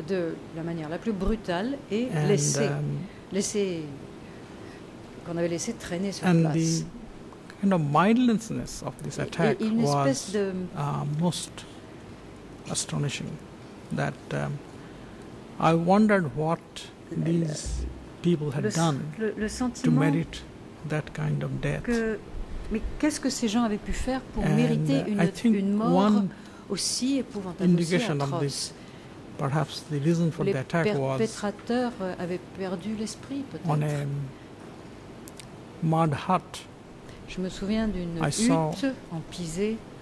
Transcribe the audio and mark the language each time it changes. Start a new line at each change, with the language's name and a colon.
French: De la manière la plus brutale et laissé qu'on avait laissé traîner sur place.
English: And the mindlessness of this attack was most astonishing. That I wondered what these people had done to merit that kind of death.
French: Mais qu'est-ce que ces gens avaient pu faire pour mériter une mort aussi épouvantable, aussi atroce?
English: Of this, perhaps the reason for the attack was
French: les perpétrateurs avaient perdu l'esprit, peut-être.
English: On a mud hut.
French: Je me souviens d'une hutte en pisé,